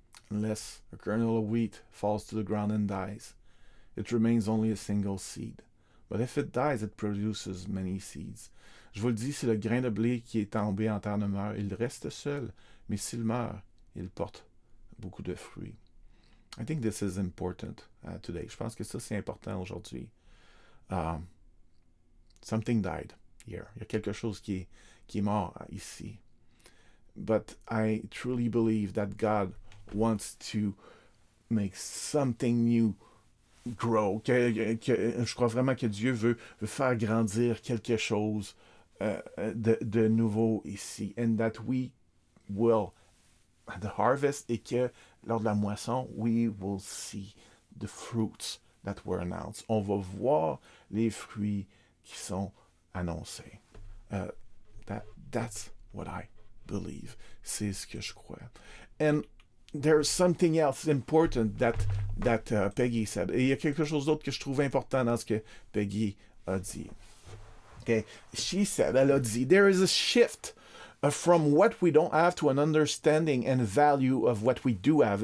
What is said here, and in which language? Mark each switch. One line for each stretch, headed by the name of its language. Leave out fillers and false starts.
English: Unless a kernel of wheat falls to the ground and dies, it remains only a single seed. But if it dies, it produces many seeds.
French: Je vous le dis, si le grain de blé qui est tombé en terre ne meurt, il reste seul. Mais s'il meurt, il porte beaucoup de fruits.
English: I think this is important today.
French: Je pense que ça, c'est important aujourd'hui.
English: Something died here.
French: Il y a quelque chose qui est mort ici.
English: But I truly believe that God wants to make something new grow.
French: Je crois vraiment que Dieu veut faire grandir quelque chose de nouveau ici.
English: And that we will, at the harvest,
French: et que lors de la moisson,
English: we will see the fruits that were announced.
French: On va voir les fruits qui sont annoncés.
English: That's what I believe.
French: C'est ce que je crois. And
English: there's something else important that Peggy said.
French: Et il y a quelque chose d'autre que je trouve important dans ce que Peggy a dit.
English: Okay, she said,
French: elle a dit,
English: there is a shift from what we don't have to an understanding and value of what we do have.